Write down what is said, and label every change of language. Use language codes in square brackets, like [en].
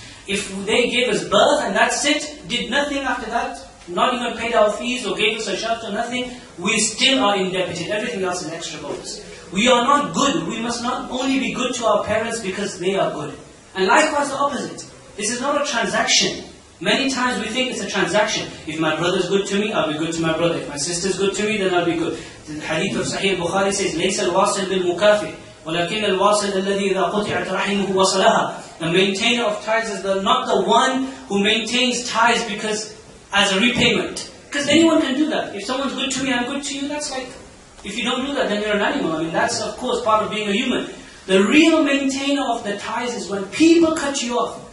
[en] If they gave us birth and that's it, did nothing after that, not even paid our fees or gave us a shelter or nothing, we still are indebted. Everything else is an extra bonus. We are not good. We must not only be good to our parents because they are good. And likewise the opposite. This is not a transaction. Many times we think it's a transaction. If my brother is good to me, I'll be good to my brother. If my sister is good to me, then I'll be good. The hadith of Sahih Bukhari says, [ar] لَيْسَ الْوَاصِلْ بِالْمُكَافِرِ وَلَكِنَّ الْوَاصِلَ الَّذِي إِذَا قُطِعَتْ رَحِمُهُ وَصَلَهَا. [en] The maintainer of ties is not the one who maintains ties because as a repayment. Because anyone can do that. If someone's good to me, I'm good to you. That's like, if you don't do that, then you're an animal. I mean, that's of course part of being a human. The real maintainer of the ties is when people cut you off.